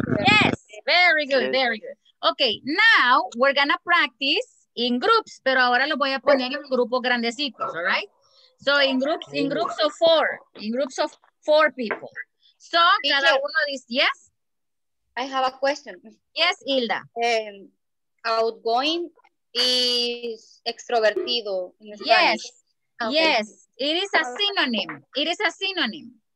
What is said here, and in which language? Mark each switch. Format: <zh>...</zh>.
<en>Yes, very good, very good. Okay, now we're gonna practice in groups,</en> <es>pero ahora lo voy a poner en grupos grandecitos,</es> <en>all right? So in groups of four, in groups of four people. So teacher,</en> <es>cada uno dice,</es> <en>yes? I have a question. Yes, Hilda. Outgoing is extrovertido. Yes, okay. Yes, it is a synonym, it is a synonym.</en>